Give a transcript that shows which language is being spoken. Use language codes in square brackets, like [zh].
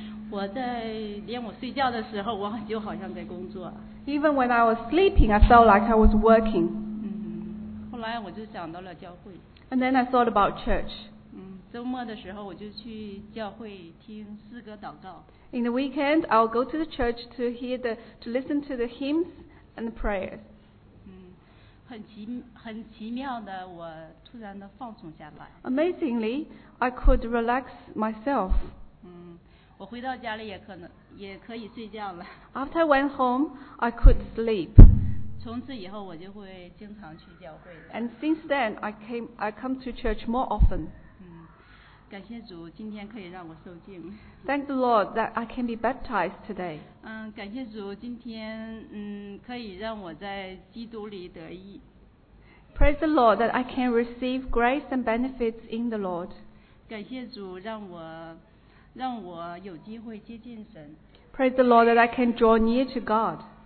[zh] 我在连我睡觉的时候，我就好像在工作。 [en] Even when I was sleeping, I felt like I was working. [zh] 后来我就想到了教会。 [en] And then I thought about church. [zh] 周末的时候我就去教会听诗歌祷告。 [en] In the weekend, I'll go to the church to hear to listen to the hymns and the prayers. [zh] 很奇妙的，我突然的放松下来。 [en] Amazingly, I could relax myself. [zh] 我回到家里也可以睡觉了。 [en] After I went home, I could sleep. [zh] 从此以后我就会经常去教会的。 [en] And since then, I come to church more often. [zh] 感谢主，今天可以让我受浸。 [en] Thank the Lord that I can be baptized today. [zh] 感谢主，今天可以让我在基督里得益。 [en] Praise the Lord that I can receive grace and benefits in the Lord. [zh] 感谢主，让我有机会接近神。 [en] Praise the Lord that I can draw near to God.